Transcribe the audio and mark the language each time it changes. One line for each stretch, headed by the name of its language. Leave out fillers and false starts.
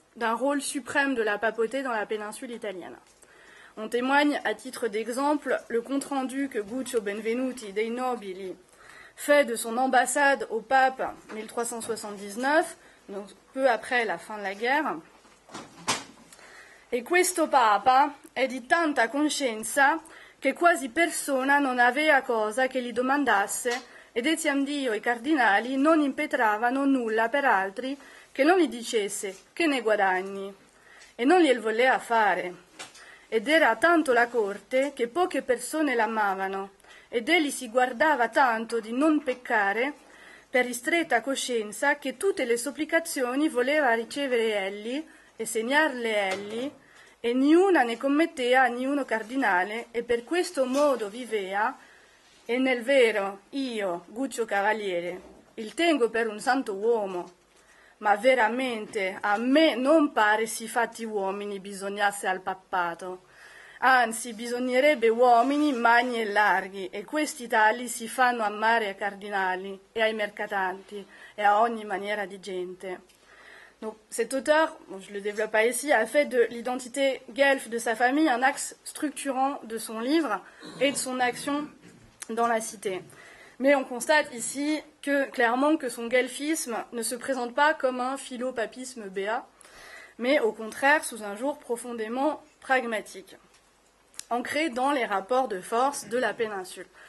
French: d'un rôle suprême de la papauté dans la péninsule italienne. On témoigne, à titre d'exemple, le compte-rendu que Guccio Benvenuti dei Nobili fait de son ambassade au pape 1379, donc peu après la fin de la guerre.
Italian: E questo papa è di tanta coscienza che quasi persona non aveva cosa che gli domandasse ed etiam Dio i cardinali non impetravano nulla per altri che non gli dicesse che ne guadagni e non gliel voleva fare. Ed era tanto la corte che poche persone l'amavano ed egli si guardava tanto di non peccare per ristretta coscienza che tutte le supplicazioni voleva ricevere egli e segnarle egli e niuna ne commetteva a niuno cardinale e per questo modo vivea e nel vero io, Guccio Cavaliere, il tengo per un santo uomo. Ma veramente a me non pare si fatti uomini bisognasse al papato. Anzi, bisognerebbe uomini magni e larghi e questi tali si fanno amare ai cardinali e ai mercatanti e a ogni maniera di gente.
French: Donc, cet auteur, bon, je ne le développe pas ici, a fait de l'identité guelfe de sa famille un axe structurant de son livre et de son action dans la cité. Mais on constate ici que, clairement, que son guelfisme ne se présente pas comme un philopapisme béat, mais au contraire sous un jour profondément pragmatique, ancré dans les rapports de force de la péninsule.